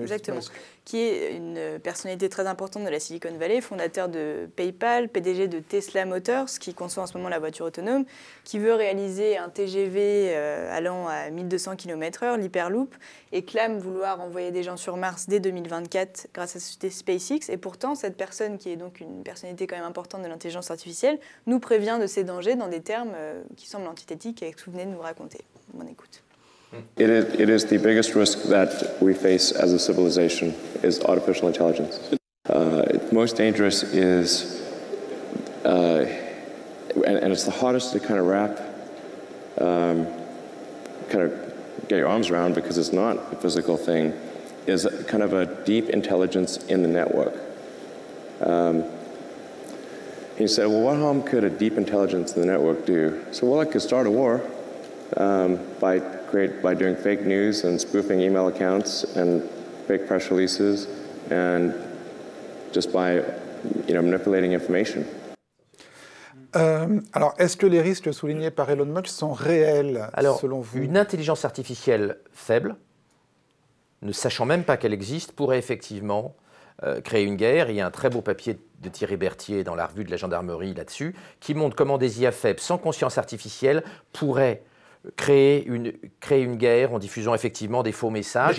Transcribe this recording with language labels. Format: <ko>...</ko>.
<fr>Exactement, qui est une personnalité très importante de la Silicon Valley, fondateur de PayPal, PDG de Tesla Motors, qui conçoit en ce moment la voiture autonome, qui veut réaliser un TGV allant à 1200 km/h, l'Hyperloop, et clame vouloir envoyer des gens sur Mars dès 2024 grâce à la société SpaceX. Et pourtant, cette personne, qui est donc une personnalité quand même importante de l'intelligence artificielle, nous prévient de ces dangers dans des termes qui semblent antithétiques et que vous venez de nous raconter. On écoute.</fr> <en>It is the biggest risk that we face as a civilization is artificial intelligence. Most dangerous is, and it's the hardest to kind of wrap, kind of get your arms around because it's not a physical thing, is kind of a deep intelligence in the network. He said, well, what harm could a deep intelligence in the network do? So, well, it could start a war by doing fake news and spoofing email accounts and fake press releases and just by, you know, manipulating information.</en> <fr>Alors, est-ce que les risques soulignés par Elon Musk sont réels, alors, selon vous ? Une intelligence artificielle faible, ne sachant même pas qu'elle existe, pourrait effectivement créer une guerre. Il y a un très beau papier de Thierry Berthier dans la revue de la gendarmerie là-dessus, qui montre comment des IA faibles sans conscience artificielle pourraient créer une guerre en diffusant effectivement des faux messages.</fr>